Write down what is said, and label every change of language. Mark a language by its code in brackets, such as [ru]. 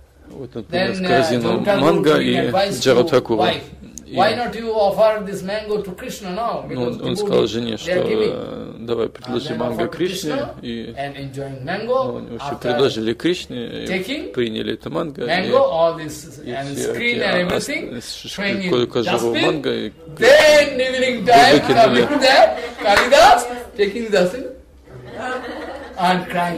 [ru] Вот он принес корзину манго и Джаратхакуру. [en] Why not you offer this mango to Krishna now? [ru] Ну, он сказал жене, что давай предложи манго Кришне, и они вообще предложили Кришне, и приняли это манго, и все, и сколько живого манго, и выкинули. [en] Калидас, taking the dustbin, and crying.